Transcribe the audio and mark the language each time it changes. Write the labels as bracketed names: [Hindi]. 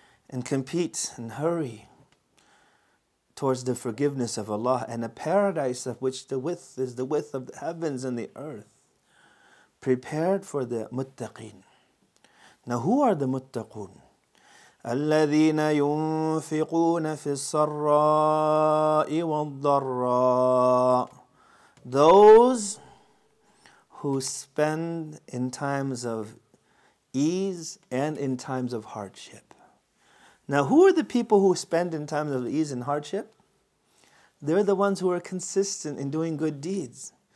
[English] And compete and hurry towards the forgiveness of Allah and a paradise of which the width is the width of the heavens and the earth, prepared for the muttaqin. Now who are the muttaqun? [Arabic] الذين ينفقون في السراء والضراء. [English] Those who spend in times of ease and in times of hardship. Now who are the people who spend in times of ease and hardship? They're the ones who are consistent in doing good deeds.